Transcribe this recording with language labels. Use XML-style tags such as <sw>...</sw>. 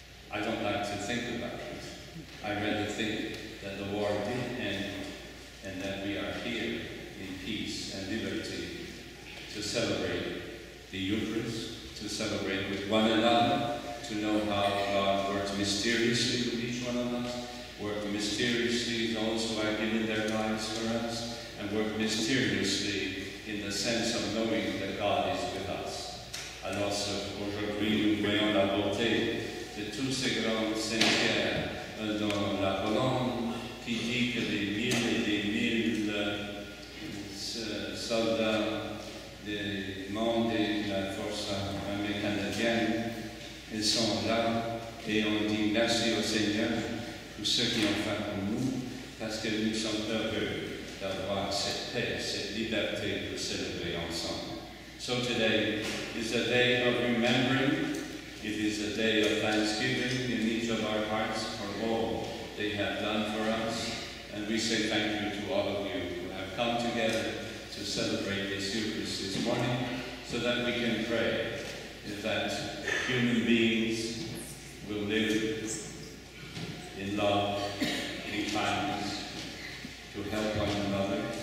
<en>I don't like to think about it. I rather think that the war did end and that we are here in peace and liberty to celebrate the Eucharist, to celebrate with one another, to know how God worked mysteriously with each one of us, worked mysteriously. have given their lives for us and work mysteriously in the sense of knowing that God is with us.</en> <fr>Alors, aujourd'hui, nous voyons la beauté de tous ces grands saints dans la colonne qui dit que des mille et des mille soldats des membres de la force armée canadienne, ils sont là et on dit merci au Seigneur pour ce qu'ils ont fait pour nous, parce que nous sommes heureux d'avoir cette paix, cette liberté de célébrer ensemble.</fr> <en>So today is a day of remembering, it is a day of thanksgiving in each of our hearts for all they have done for us, and we say thank you to all of you who have come together to celebrate this Eucharist this morning, so that we can pray that human beings will live in love, in kindness, to help one another.</en>